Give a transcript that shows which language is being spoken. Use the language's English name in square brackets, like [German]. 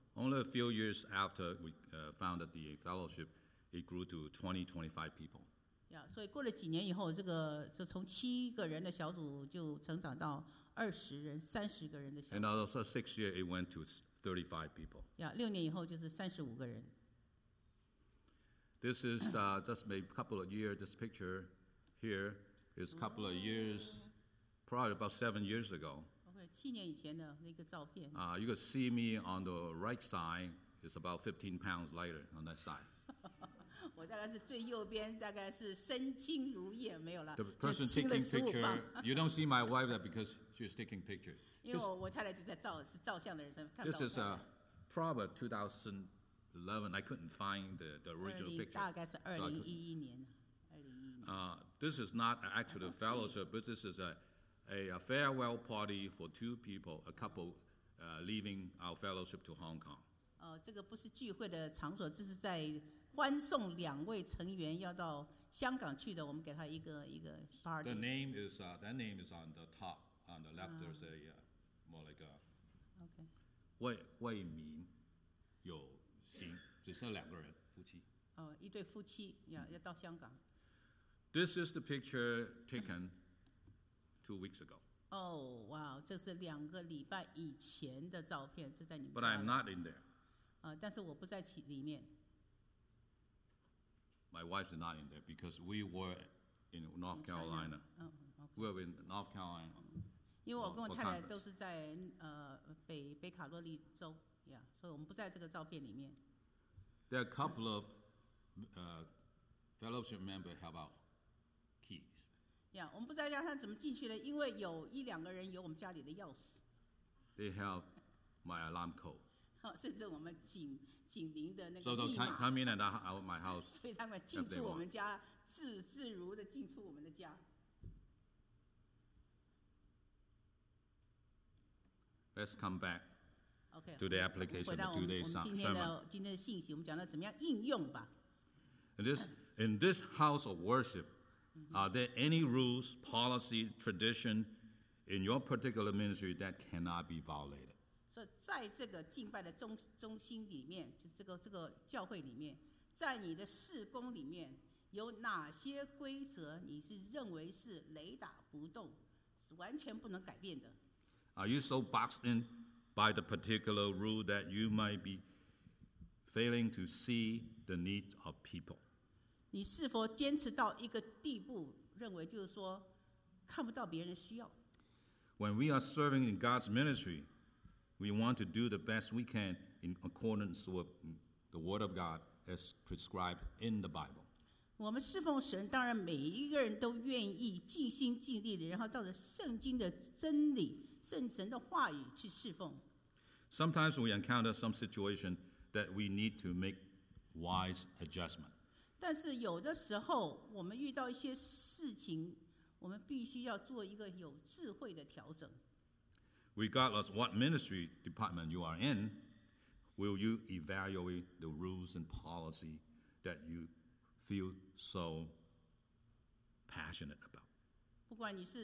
[English] Only a few years after we founded the fellowship, it grew to 20-25 people. [Chinese] Yeah, 所以过了几年以后，这个就从七个人的小组就成长到二十人、三十个人的小组。 [English] And also 6 years, it went to 35 people. [Chinese] Yeah, 6年以后就是三十五个人。 [English] This is just a couple of years. This picture here is a couple of years, probably about 7 years ago. [Chinese] 七年以前的那个照片。 [English] You can see me on the right side. It's about 15 pounds lighter on that side. [Chinese] 我大概是最右边，大概是身轻如燕，没有了。 [English] The person taking picture, you don't see my wife that because she's taking picture. [Chinese] 因为我太太就在照，是照相的人，看不到。 [English] This is a probably 2011. I couldn't find the original picture. [Chinese] 大概是二零一一年，二 [English] This is not actually a fellowship, but this is a farewell party for two people, a couple leaving our fellowship to Hong Kong. [Chinese] 这个不是聚会的场所, 这是在欢送两位成员要到香港去的, 我们给他一个 party. [English] The name is, that name is on the top, on the left, there's a, more like a, okay. [Chinese] 魏明有心, 只剩两个人, 夫妻。一对夫妻, 要到香港。 [English] This is the picture taken 2 weeks ago. [Chinese] Oh, wow, 这是两个礼拜以前的照片, 这在你们家里。 [English] But I'm not in there. [Chinese] 但是我不在里面。 [English] My wife's not in there because we were in North Carolina. Okay. We were in North Carolina. [Chinese] 因为我跟我太太都是在 北卡洛利州, yeah, 所以我们不在这个照片里面。 [English] There are a couple of fellowship members have our keys. [Chinese] Yeah, 我们不在家，他怎么进去呢？因为有一两个人有我们家里的钥匙。 [English] They have my alarm code. [Chinese] 甚至我们警铃的那个密码。 [English] So they come in at my house. [Chinese] 所以他们进出我们家，自如的进出我们的家。 [English] Let's come back. Okay, to the application of today's sermon. In this house of worship, are there any rules, policy, tradition in your particular ministry that cannot be violated? [Chinese] So, 在这个敬拜的中心里面, 就是这个教会里面, 在你的事工里面, 有哪些规则你是认为是雷打不动, 是完全不能改变的? [English] Are you so boxed in by the particular rule that you might be failing to see the needs of people? [Chinese] 你是否坚持到一个地步, 认为就是说, 看不到别人的需要? [English] When we are serving in God's ministry, we want to do the best we can in accordance with the Word of God as prescribed in the Bible. [Chinese] 我们侍奉神, 当然每一个人都愿意尽心尽力地, 然后照着圣经的真理, 圣神的话语去侍奉。 [English] Sometimes we encounter some situation that we need to make wise adjustment. [Chinese] 但是有的时候, 我们遇到一些事情, 我们必须要做一个有智慧的调整。 [English] Regardless what ministry department you are in, will you evaluate the rules and policy that you feel so passionate about?